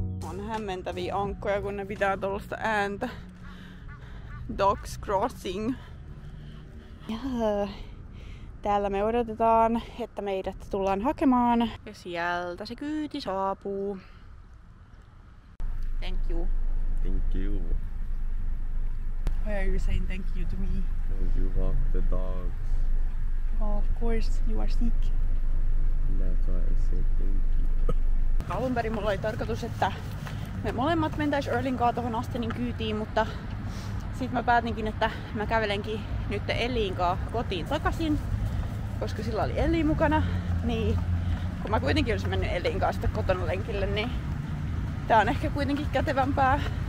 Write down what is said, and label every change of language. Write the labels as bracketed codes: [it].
[fi] On hämmentäviä ankkoja, kun ne pitää tuollaista ääntä. [en] Dogs crossing. [fi] Täällä me odotetaan, että meidät tullaan hakemaan. Ja sieltä se kyyti saapuu. [en] Thank you. Thank you. Why are you saying thank you to me? Because you walk the dogs. Well, of course, you are sick. That's why I said thank you. [fi] Alun perin mulla oli tarkoitus, että me molemmat mentäis Earlin kaa tohon Astinin kyytiin, mutta sit mä päätinkin, että mä kävelenkin nyt Elliin kaa kotiin takaisin. Koska sillä oli Elli mukana, niin kun mä kuitenkin olisin mennyt Elliin kanssa kotona lenkille, niin tää on ehkä kuitenkin kätevämpää.